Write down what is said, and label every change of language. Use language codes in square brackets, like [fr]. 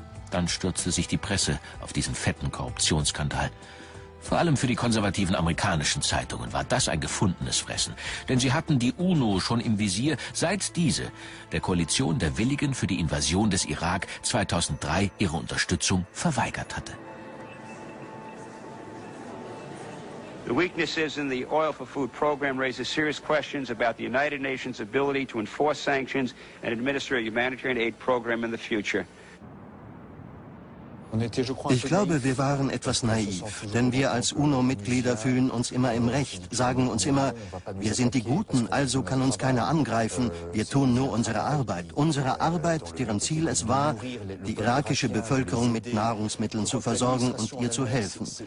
[de] Dann stürzte sich die Presse auf diesen fetten Korruptionsskandal. Vor allem für die konservativen amerikanischen Zeitungen war das ein gefundenes Fressen. Denn sie hatten die UNO schon im Visier, seit diese der Koalition der Willigen für die Invasion des Irak 2003 ihre Unterstützung verweigert hatte. [en] The weaknesses in the Oil for Food program raise serious questions about the United Nations' ability to enforce sanctions and administer a humanitarian aid program in the future. [de] Ich glaube, wir waren etwas naiv, denn wir als UNO-Mitglieder fühlen uns immer im Recht, sagen uns immer, wir sind die Guten, also kann uns keiner angreifen, wir tun nur unsere Arbeit. Unsere Arbeit, deren Ziel es war, die irakische Bevölkerung mit Nahrungsmitteln zu versorgen und ihr zu helfen.